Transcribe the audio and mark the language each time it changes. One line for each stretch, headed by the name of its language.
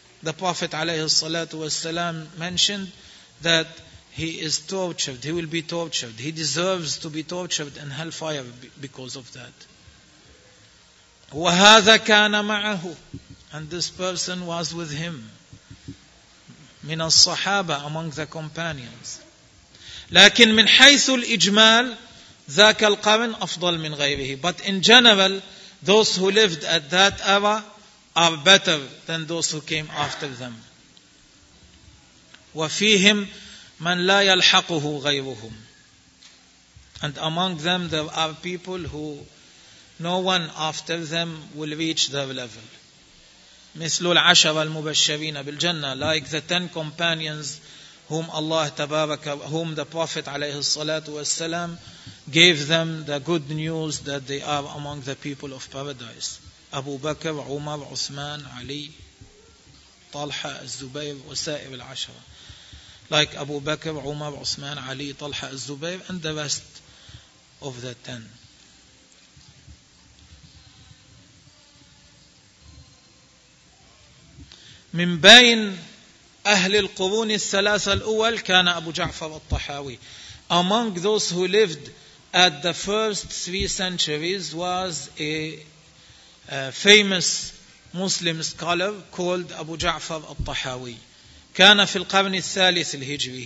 English: The Prophet alayhi salatu wasalam mentioned that he is tortured, he will be tortured, he deserves to be tortured in hellfire because of that.
Arabic: وَهَذَا كَانَ مَعَهُ.
English: And this person was with him.
Arabic: من الصحابة,
English: among the companions.
Arabic: لكن من حيث الإجمال ذاك القرن أفضل من غيره.
English: But in general, those who lived at that era are better than those who came after them.
Arabic: وَفِيهِمْ مَنْ لَا يَلْحَقُهُ غَيْرُهُمْ.
English: And among them there are people who no one after them will reach their level.
Arabic: مثل العشرة المبشرين بالجنة,
English: like the 10 companions whom Allah تبارك, whom the Prophet
Arabic: عليه الصلاة والسلام
English: gave them the good news that they are among the people of paradise.
Arabic: أبو بكر, عمر, عثمان, علي, طلحة, الزبير وسائر العشرة.
English: Like أبو بكر, عمر, عثمان, علي, طلحة, الزبير and the rest of the 10.
Arabic: من بين أهل القرون الثلاثة الأول كان أبو جعفر الطحاوي.
English: Among those who lived at the first three centuries was a famous Muslim scholar called Abu Ja'far al-Tahawi.
Arabic: كان في القرن الثالث الهجري.